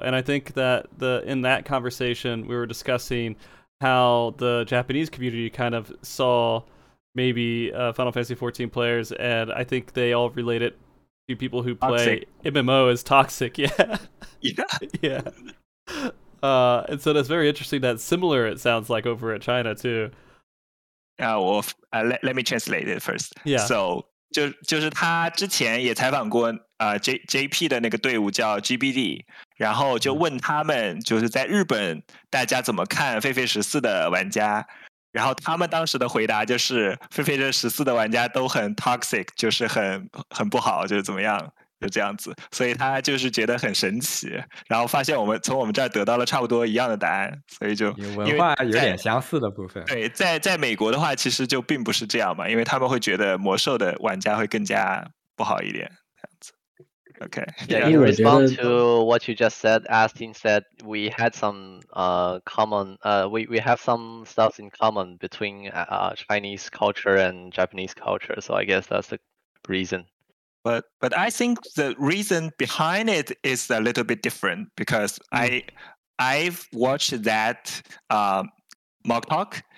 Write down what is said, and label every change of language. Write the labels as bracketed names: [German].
[English] And I think that in that conversation, we were discussing how the Japanese community kind of saw maybe Final Fantasy 14 players, and I think they all relate it. People who play toxic. MMO is toxic, yeah. And so that's very interesting. That similar, it sounds like, over at China too. Let me translate it first. Yeah. [Chinese] So, 就是他之前也采访过JP 的那个队伍叫 GBD， 然后就问他们就是在日本大家怎么看狒狒十四的玩家。然后他们当时的回答就是狒狒这十四的玩家都很 toxic， 就是很不好，就是怎么样，就这样子。所以他就是觉得很神奇，然后发现我们从我们这儿得到了差不多一样的答案，所以就文化有点相似的部分。对，在美国的话其实就并不是这样嘛，因为他们会觉得魔兽的玩家会更加不好一点这样子。 [English] OK， yeah, in response to what you just said, Astin said we had some we have some stuff in common between Chinese culture and Japanese culture, so I guess that's the reason. But I think the reason behind it is a little bit different, because I've watched that MogTalk,